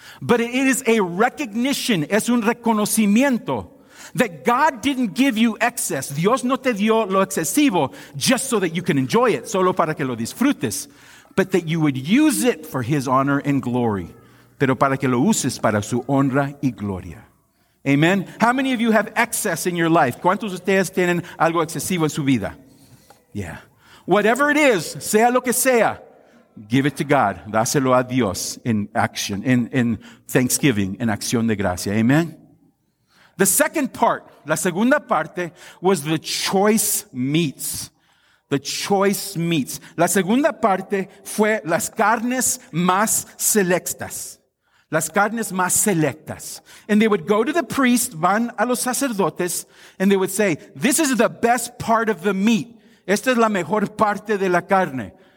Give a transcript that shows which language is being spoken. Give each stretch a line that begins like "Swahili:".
English: But it is a recognition,
Spanish: es un reconocimiento,
English: that God didn't give you excess.
Spanish: Dios no te dio lo excesivo
English: just so that you can enjoy it,
Spanish: solo para que lo disfrutes,
English: but that you would use it for his honor and glory,
Spanish: pero para que lo uses para su honra y gloria. Amen.
English: How many of you have excess in your life?
Spanish: ¿Cuántos ustedes tienen algo excesivo en su vida?
English: Yeah. Whatever it is,
Spanish: sea lo que sea,
English: give it to God.
Spanish: Dáselo a Dios
English: in action, in thanksgiving,
Spanish: en acción de gracia. Amen.
English: The second part,
Spanish: la segunda parte,
English: was the choice meats. The choice meats.
Spanish: La segunda parte fue las carnes más selectas. Las carnes más selectas.
English: And they would go to the priest,
Spanish: van a los sacerdotes,
English: and they would say, this is the best part of the meat.
Spanish: Esta es la mejor parte de la carne.